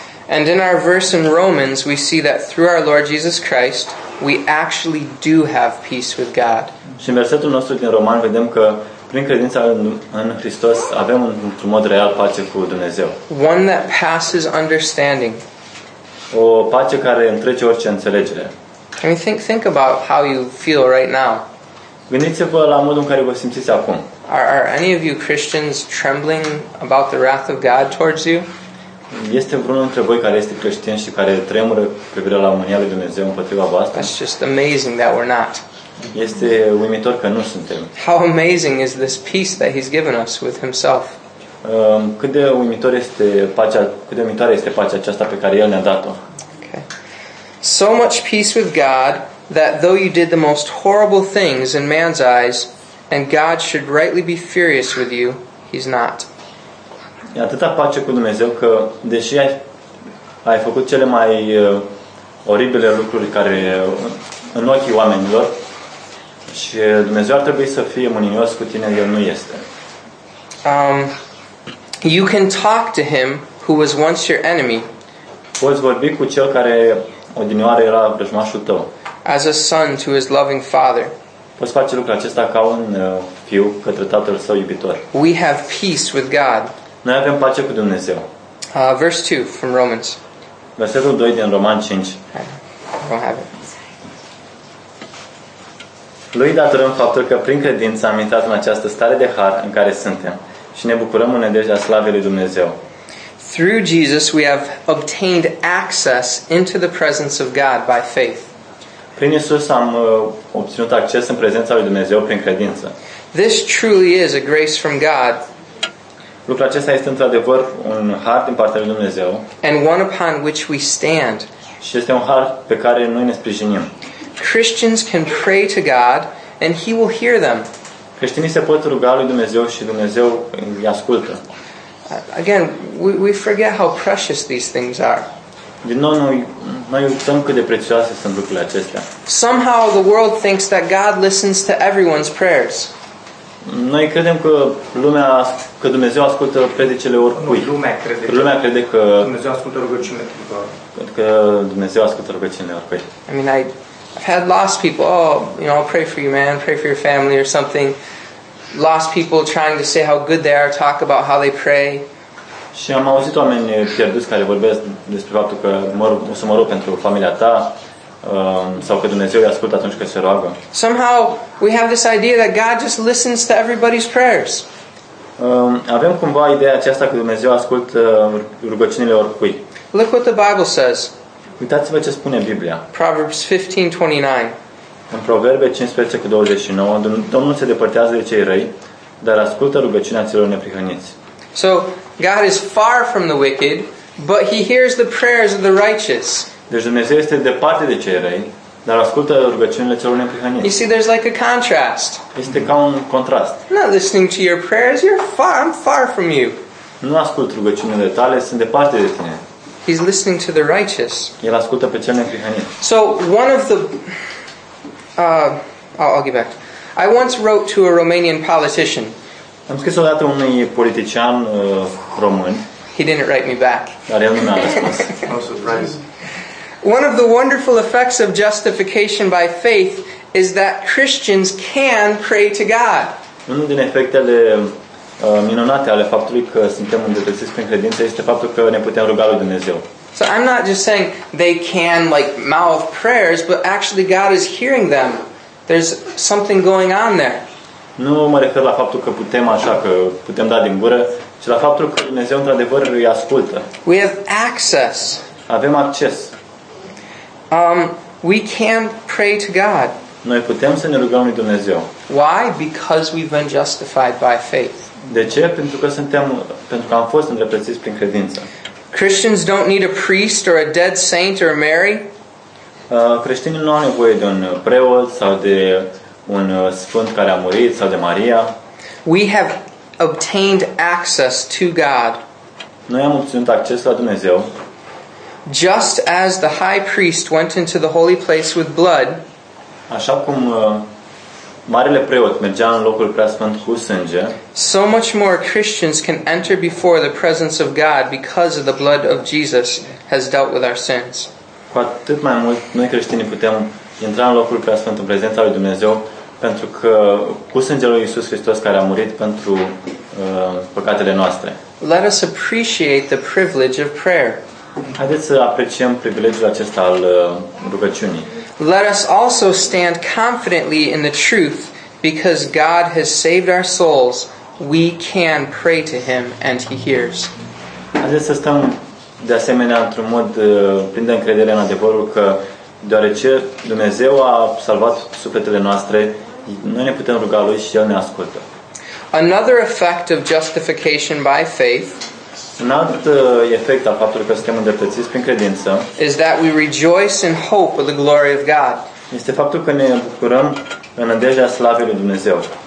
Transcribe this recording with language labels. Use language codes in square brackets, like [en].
[en] And in our verse in Romans, we see that through our Lord Jesus Christ, we actually do have peace with God. [ro] Și în versetul nostru din Roman vedem că prin credința în Hristos avem într-un mod real pace cu Dumnezeu. [en] One that passes understanding. [ro] O pace care întrece orice înțelegere. [en] I mean, think about how you feel right now. [ro] Gândiți-vă la modul în care vă simțiți acum. [en] Are any of you Christians trembling about the wrath of God towards you? [ro] Este vreunul dintre voi care este creștin și care tremură privire la mânia lui Dumnezeu împotriva voastră? [en] That's just amazing that we're not. [ro] Este uimitor că nu suntem. [en] How amazing is this peace that He's given us with Himself? [ro] Cât de uimitoare este pacea aceasta pe care El ne-a dat-o. [en] Okay. So much peace with God that though you did the most horrible things in man's eyes and God should rightly be furious with you, He's not. [ro] E atâta pace cu Dumnezeu că deși ai făcut cele mai oribile lucruri care în ochii oamenilor și Dumnezeu ar trebui să fie mânios cu tine, El nu este. [en] You can talk to him who was once your enemy. [ro] Poți vorbi cu cel care odinioară era vrăjmașul tău. [en] As a son to his loving father. [ro] Poți face lucrul acesta ca un fiu către tatăl său iubitor. [en] We have peace with God. [ro] Noi avem pace cu Dumnezeu. [en] Verse 2 from Romans. [ro] Versetul 2 din Roman 5. [en] I don't have it. [ro] Lui datorăm faptul că prin credință am intrat în această stare de har în care suntem și ne bucurăm în nădejdea slavei lui Dumnezeu. [en] Through Jesus we have obtained access into the presence of God by faith. [ro] Prin Iisus am obținut acces în prezența lui Dumnezeu prin credință. [en] This truly is a grace from God. [ro] Lucrul acesta este într-adevăr un har din partea lui Dumnezeu. [en] And one upon which we stand. [ro] Și este un har pe care noi ne sprijinim. [en] Christians can pray to God and He will hear them. [ro] Creștinii se pot ruga lui Dumnezeu și Dumnezeu îi ascultă. [en] Again, we forget how precious these things are. [ro] Din nou, noi uităm cât de prețioase sunt lucrurile acestea. [en] Somehow the world thinks that God listens to everyone's prayers. [ro] Noi credem că că Dumnezeu ascultă predicile oricui. Lumea crede că Dumnezeu ascultă rugăciunile. Că Dumnezeu ascultă rugăciunile oricui. [en] I mean, I've had lost people, I'll pray for you, man, pray for your family or something. Lost people trying to say how good they are, talk about how they pray. [ro] Și am auzit oameni pierduți care vorbesc despre faptul că o să mă rog pentru familia ta sau că Dumnezeu îi ascultă atunci când se roagă. [en] Somehow we have this idea that God just listens to everybody's prayers. [ro] Avem cumva ideea aceasta că Dumnezeu ascultă rugăciunile oricui. [en] Look what the Bible says. [ro] Uitați-vă ce spune Biblia. [en] Proverbs 15:29. [ro] În Proverbe 15:29, Domnul se depărtează de cei răi, dar ascultă rugăciunea celor neprihăniți. [en] So, God is far from the wicked, but He hears the prayers of the righteous. [ro] Deci Dumnezeu este departe de cei răi, dar ascultă rugăciunile celor neprihăniți. [en] You see, there's like a contrast. [ro] Este ca un contrast. [en] Not listening to your prayers, I'm far from you. [ro] Nu ascult rugăciunile tale, sunt departe de tine. [en] He's listening to the righteous. [ro] El ascultă pe cel neprihănit. [en] So one of the, I'll get back. I once wrote to a Romanian politician. [ro] Am scris odată unui politician român. [en] He didn't write me back. [ro] Dar el nu mi-a răspuns. [en] No surprise. One of the wonderful effects of justification by faith is that Christians can pray to God. [ro] Unul din efectele minunate ale faptului că suntem îndreptățiți prin credință este faptul că ne putem ruga lui Dumnezeu. [en] So I'm not just saying they can like mouth prayers, but actually God is hearing them. There's something going on there. [ro] Nu mă refer la faptul că putem așa, că putem da din gură, ci la faptul că Dumnezeu într-adevăr îi ascultă. [en] We have access. [ro] Avem acces. [en] We can pray to God. [ro] Noi putem să ne rugăm lui Dumnezeu. [en] Why? Because we've been justified by faith. [ro] De ce? Pentru că am fost îndreptățiți prin credință. [en] Christians don't need a priest or a dead saint or Mary. [ro] Creștinii nu au nevoie de un preot sau de un sfânt care a murit sau de Maria. [en] We have obtained access to God. [ro] Noi am obținut acces la Dumnezeu. [en] Just as the high priest went into the holy place with blood. [ro] Așa cum marele preot mergea în locul preasfânt cu sânge. [en] So much more Christians can enter before the presence of God because of the blood of Jesus has dealt with our sins. [ro] Cu atât mai mult noi creștinii putem intra în locul preasfânt în prezența lui Dumnezeu pentru că cu sângele lui Iisus Hristos care a murit pentru păcatele noastre. [en] Let us appreciate the privilege of prayer. [ro] Haideți să apreciem privilegiul acesta al rugăciunii. [en] Let us also stand confidently in the truth because God has saved our souls. We can pray to him and he hears. [ro] Haideți să stăm de asemenea într-un mod plin de încredere în adevărul că deoarece Dumnezeu a salvat sufletele noastre, noi ne putem ruga lui și el ne ascultă. [en] Another effect of justification by faith. [ro] Un alt efect al faptului că suntem îndreptățiți prin credință [en] is that we rejoice in hope of the glory of God. [ro] Este faptul că ne bucurăm în nădejdea slavei lui Dumnezeu.